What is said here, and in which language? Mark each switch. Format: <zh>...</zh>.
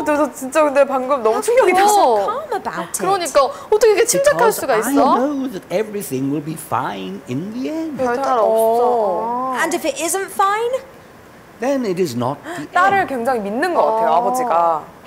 <ko>어, 너 진짜 근데 방금 너무 충격이다.</ko> <en>So calm about it.</en> <ko>그러니까 어떻게 이렇게 침착할 수가 있어?</ko> <en>Because I know that everything will be fine in the end.</en> <ko>별탈 없어.</ko> <en>And if it isn't fine? Then it is not the end.</en> <ko>딸을 굉장히 믿는 것 같아요, 아버지가.</ko>